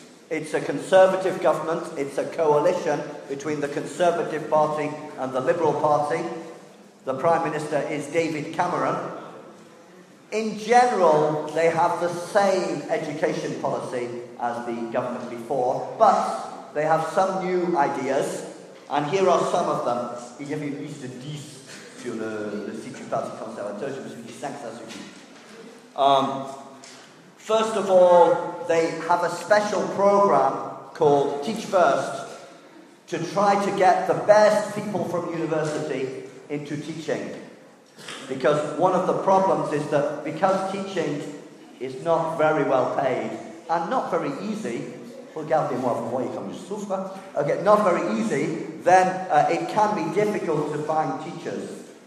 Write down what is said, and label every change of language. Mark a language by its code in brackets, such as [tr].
[en] It's a Conservative government. It's a coalition between the Conservative Party and the Liberal Party. The Prime Minister is David Cameron. In general, they have the same education policy as the government before, but they have some new ideas, and here are some of them. [fr] Il y avait une liste de 10 sur le site du Parti conservateur, je me suis dit 5, ça suffit. [en] First of all, they have a special program called Teach First to try to get the best people from university into teaching. Because one of the problems is that because teaching is not very well paid and not very easy, [fr] regardez-moi, vous voyez comme je souffre, [en] okay, not very easy, then it can be difficult to find teachers.